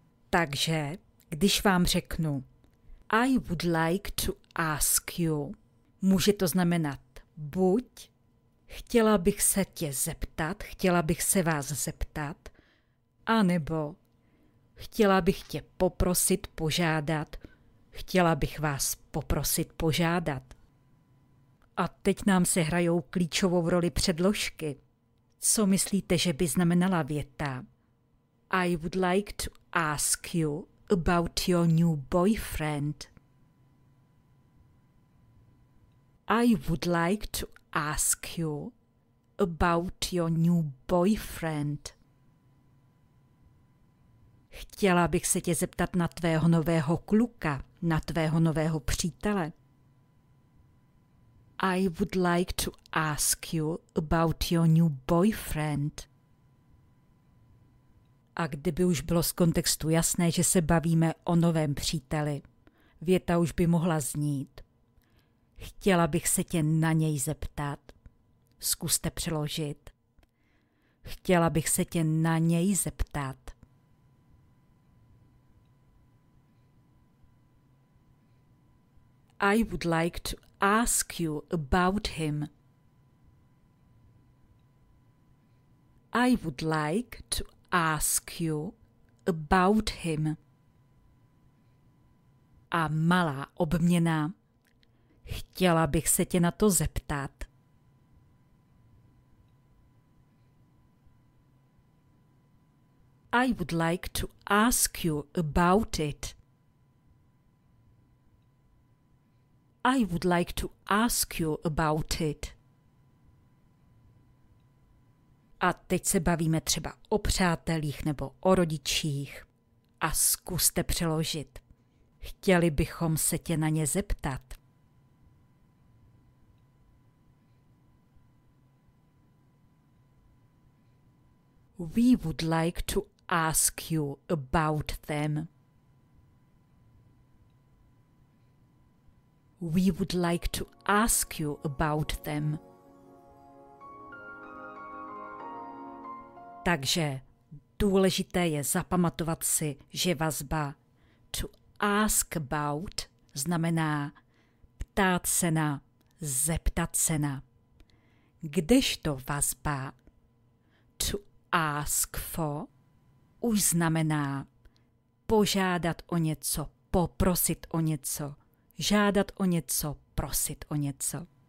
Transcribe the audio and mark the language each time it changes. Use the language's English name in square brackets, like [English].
[Czech] Takže, když vám řeknu I would like to ask you, může to znamenat buď chtěla bych se tě zeptat, chtěla bych se vás zeptat, anebo chtěla bych tě poprosit, požádat, chtěla bych vás poprosit, požádat. A teď nám se hrajou klíčovou roli předložky. Co myslíte, že by znamenala věta? [English] I would like to ask you about your new boyfriend. I would like to ask you about your new boyfriend. [Czech] Chtěla bych se tě zeptat na tvého nového kluka, na tvého nového přítele. [English] I would like to ask you about your new boyfriend. [Czech] A kdyby už bylo z kontextu jasné, že se bavíme o novém příteli, věta už by mohla znít. Chtěla bych se tě na něj zeptat. Zkuste přeložit. Chtěla bych se tě na něj zeptat. [English] I would like to ask you about him. I would like to ask you about him. [Czech] a malá obměna. Chtěla bych se tě na to zeptat. [English] I would like to ask you about it. I would like to ask you about it. [Czech] A teď se bavíme třeba o přátelích nebo o rodičích. A zkuste přeložit. Chtěli bychom se tě na ně zeptat. [English] We would like to ask you about them. We would like to ask you about them. [Czech] Takže důležité je zapamatovat si, že vazba to ask about znamená ptát se na, zeptat se na. Kdežto vazba to ask for už znamená požádat o něco, poprosit o něco, žádat o něco, prosit o něco.